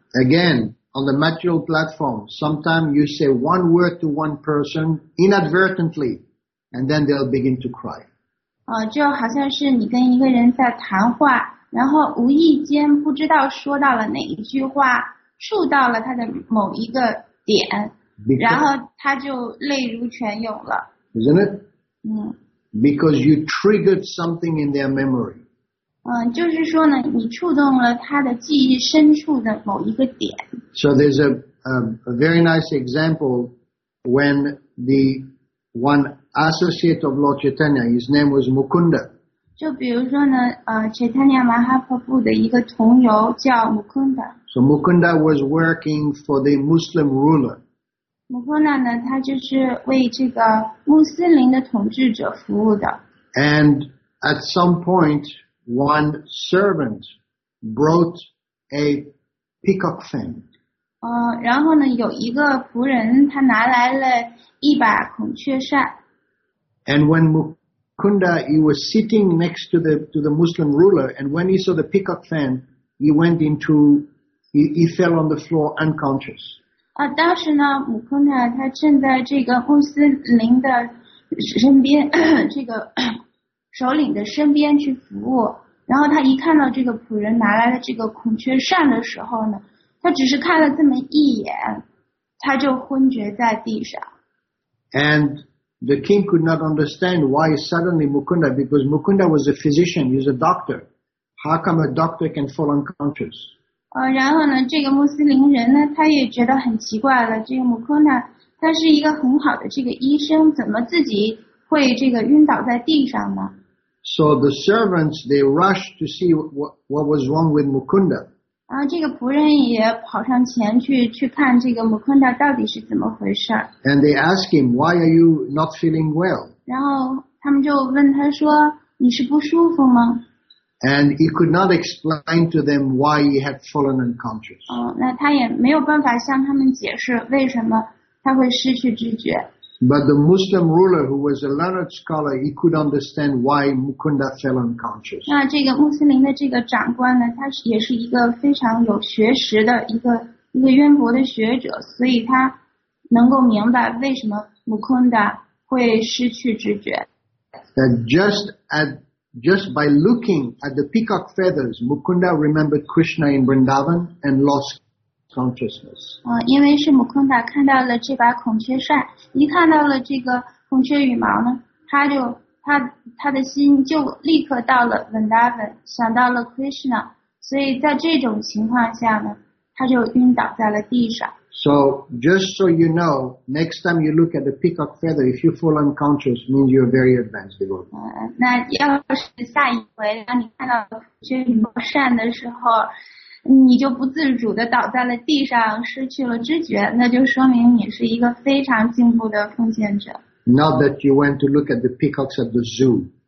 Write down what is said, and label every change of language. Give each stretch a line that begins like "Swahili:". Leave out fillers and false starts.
English: Again, on the material platform, sometimes you say one word to one person inadvertently, and then they'll begin to cry.
Chinese: 就好像是你跟一个人在谈话，然后无意间不知道说到了哪一句话，触到了他的某一个点，然后他就泪如泉涌了。
English: Isn't it? Because you triggered something in their memory.
Chinese: 就是说呢，你触动了他的记忆深处的某一个点。
English: So there's a very nice example when the one associate of Lord Chaitanya, his name was Mukunda.
Chinese: 就比如说呢，Chaitanya Mahaprabhu 的一个同游叫 Mukunda.
English: So Mukunda was working for the Muslim ruler.
Chinese: Mukunda 呢，他就是为这个穆斯林的统治者服务的。
English: And at some point,One servant brought a peacock fan.
Chinese: 然后呢，有一个仆人他拿来了一把孔雀扇。
English: And when Mukunda he was sitting next to the Muslim ruler, and when he saw the peacock fan, he fell on the floor unconscious.
Chinese: 当时呢，穆昆达他正在这个穆斯林的身边，这个首领的身边去服务。然后他一看到这个仆人拿来了这个孔雀扇的时候呢，他只是看了这么一眼，他就昏厥在地上。
English: And the king could not understand why suddenly Mukunda, because Mukunda was a physician, he was a doctor. How come a doctor can fall unconscious?
Chinese: 然后呢，这个穆斯林人呢，他也觉得很奇怪了。这个 Mukunda 他是一个很好的这个医生，怎么自己会这个晕倒在地上呢？
English: So the servants, they rushed to see what was wrong with Mukunda.
Chinese: 这个仆人也跑上前去看这个 Mukunda 到底是怎么回事。
English: And they ask him, why are you not feeling well?
Chinese: 然后他们就问他说，你是不舒服吗？
English: And he could not explain to them why he had fallen unconscious.
Chinese: 那他也没有办法向他们解释为什么他会失去知觉。
English: But the Muslim ruler, who was a learned scholar, he could understand why Mukunda fell unconscious.
Chinese: 那这个穆斯林的这个长官呢，他也是一个非常有学识的一个渊博的学者，所以他能够明白为什么 Mukunda 会失去知觉。
English: That just by looking at the peacock feathers, Mukunda remembered Krishna in Vrindavan and lost. consciousness.
Chinese: 因为是穆昆达看到了这把孔雀扇，一看到了这个孔雀羽毛呢，他的心就立刻到了 Vrindavan， 想到了 Krishna， 所以在这种情况下呢，他就晕倒在了地上。
English: So just so you know, next time you look at the peacock feather, if you fall unconscious, means you're very advanced devotee.
Chinese: 那要是下一回当你看到孔雀羽毛扇的时候。你就不自主地倒在了地上，失去了知觉，那就说明你是一个非常进步的奉献者。
English: Not that you went to look at the peacocks at the zoo.